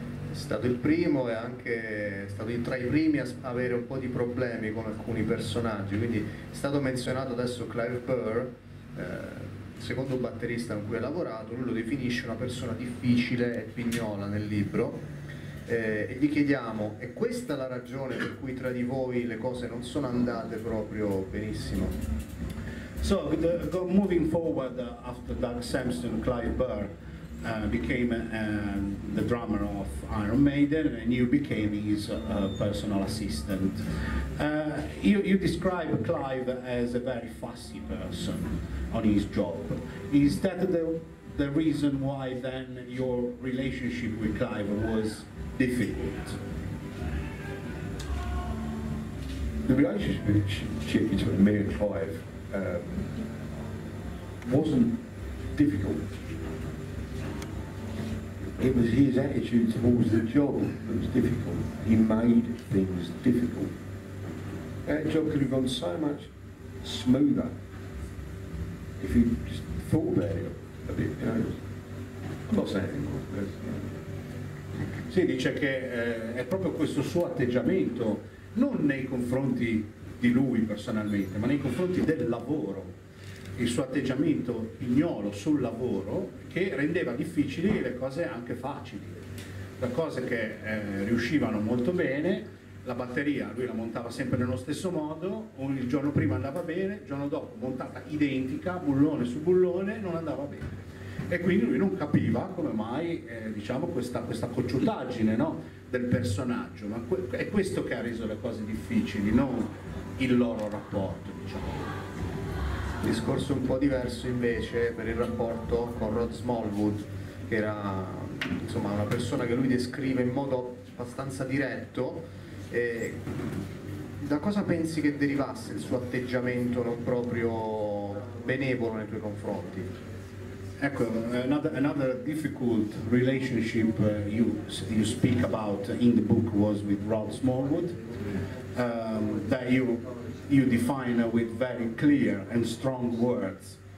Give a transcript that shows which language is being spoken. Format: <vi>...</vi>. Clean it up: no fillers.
<it>È stato il primo e anche è stato tra i primi a avere un po' di problemi con alcuni personaggi, quindi è stato menzionato adesso Clive Burr, secondo batterista con cui ha lavorato, lui lo definisce una persona difficile e pignola nel libro, e gli chiediamo, è questa la ragione per cui tra di voi le cose non sono andate proprio benissimo?</it> <en>So, moving forward after Doug Sampson, Clive Burr became the drummer of Iron Maiden, and you became his personal assistant. You describe Clive as a very fussy person on his job. Is that the reason why then your relationship with Clive was difficult? The relationship between me and Clive wasn't difficult. It was his attitude towards the job that was difficult. He made things difficult. That job could have gone so much smoother if he just thought about it a bit. You know, I'm not saying anything more. But,</en> <it>Sì, dice che è proprio questo suo atteggiamento, non nei confronti di lui personalmente, ma nei confronti del lavoro, il suo atteggiamento pignolo sul lavoro, che rendeva difficili le cose anche facili. Le cose che riuscivano molto bene, la batteria lui la montava sempre nello stesso modo, il giorno prima andava bene, il giorno dopo montata identica, bullone su bullone, non andava bene. E quindi lui non capiva come mai diciamo questa cocciutaggine, no, del personaggio, ma è questo che ha reso le cose difficili, non il loro rapporto, diciamo. Discorso un po' diverso invece per il rapporto con Rod Smallwood, che era insomma una persona che lui descrive in modo abbastanza diretto, e da cosa pensi che derivasse il suo atteggiamento non proprio benevolo nei tuoi confronti?</it> <en>Ecco, another difficult relationship you speak about in the book was with Rod Smallwood, that you define with very clear and strong words.</en>